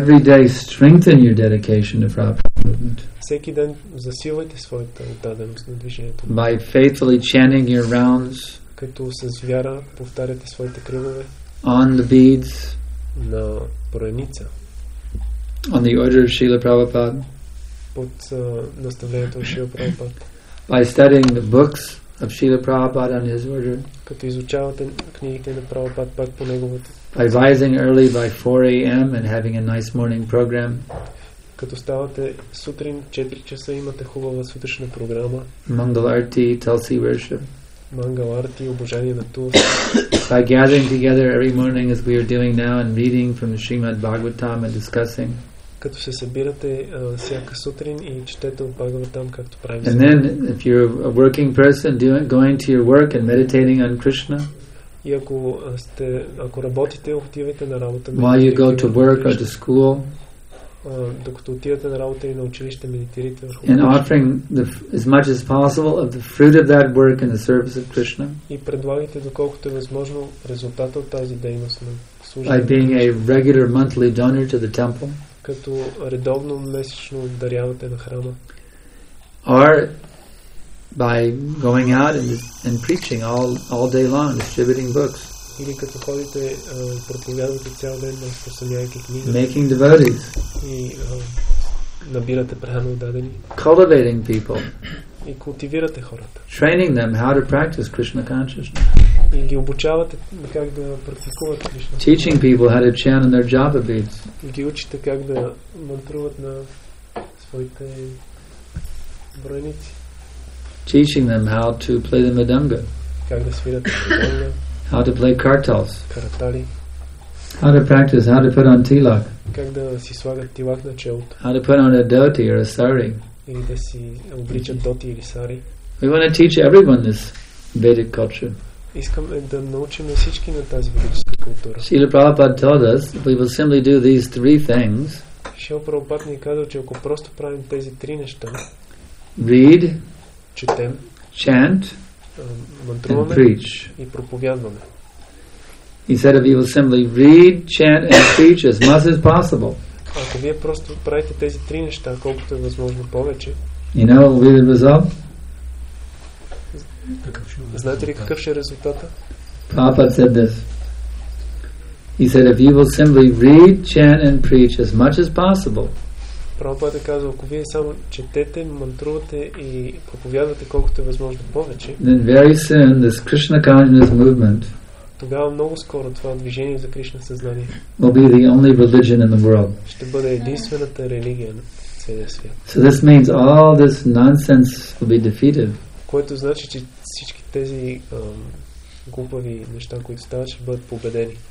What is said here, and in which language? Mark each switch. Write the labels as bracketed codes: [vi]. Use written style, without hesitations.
[en] Every day strengthen your dedication to Prabhupada movement. [bg] Всеки ден засилвайте своята отдаденост на движението. [en] By faithfully chanting your rounds. [bg] Като с вяра повтаряте своите кръгове. [en] On the beads. [bg] На поредница. [en] On the order of Srila Prabhupada. [bg] Под наставлението на Шрила Прабхупада. [en] By studying the books of Srila Prabhupada on his order. [bg] Като изучавате книгите на Прабхупада пак по неговото. [en] By rising early by 4 a.m. and having a nice morning program. [bg] Като ставате сутрин 4 часа, имате хубава сутрешна програма. [en] Mangal Arti, Tulsi worship. [bg] Mangal Arti, обожание на Тулс. [en] By gathering together every morning as we are doing now and reading from the Srimad Bhagavatam and discussing. [bg] Като се събирате всяка сутрин и четете от Бхагаватам, както правим. [en] And then if you're a working person doing, going to your work and meditating on Krishna. [bg] И ако сте, ако работите, отивате на работа. [en] While you go to work or to school. [bg] Докато отивате на работа и на училище, медитирате. [en] And offering the, as much as possible of the fruit of that work in the service of Krishna. [bg] И предлагайте доколкото е възможно резултата от тази дейност на служба. [en] By being a regular monthly donor to the temple. [bg] Като редовно месечно дарявате на храма. [en] Or by going out and preaching all day long, distributing books. [bg] Или като ходите, проповядвате цял ден, разпространявайки книги. [en] Making devotees. [bg] И набирате прехрана отдадени. [en] Cultivating people. [bg] И култивирате хората. [en] Training them how to practice Krishna consciousness. [bg] И ги обучавате как да практикуват Кришна. [en] Teaching people how to chant on their japa beads. [bg] И ги учите как да мантруват на своите броеници. [en] Teaching them how to play the madanga. [bg] Как да свирят мадонга. [en] How to play kartals. [bg] Каратали. [en] How to practice, how to put on tilak. [bg] Как да си слагат тилак на челото. [en] How to put on a dhoti or a sari. [bg] Или да си обличат доти или сари. [en] We want to teach everyone this Vedic culture. [bg] Искаме да научим всички на тази ведическа култура. [en] Srila Prabhupada told us if we will simply do these three things. [bg] Srila Prabhupada ни казва, че ако просто правим тези три неща. [en] Read. [bg] Четем. [en] Chant. [bg] Мантруваме. [en] And preach. [bg] И проповядваме. [en] He said if we will simply read, chant and preach as much as possible. [bg] Ако вие просто правите тези три неща, колкото е възможно повече. [en] You know what will be the result? [bg] Знаете ли какъв ще е резултата? [en] Prabhupada said this. He said if you will simply read, chant and preach as much as possible. [bg] Prabhupada казва, ако вие само четете, мантрувате и проповядвате колкото е възможно повече. [en] Then very soon this Krishna consciousness movement. [bg] Тогава много скоро това движение за Кришна съзнание. [en] Will be the only religion in the world. [bg] Ще бъде единствената религия на целия свят. [en] So this means all this nonsense will be defeated. [bg] Което значи, че всички тези глупави неща, които стават, ще бъдат победени.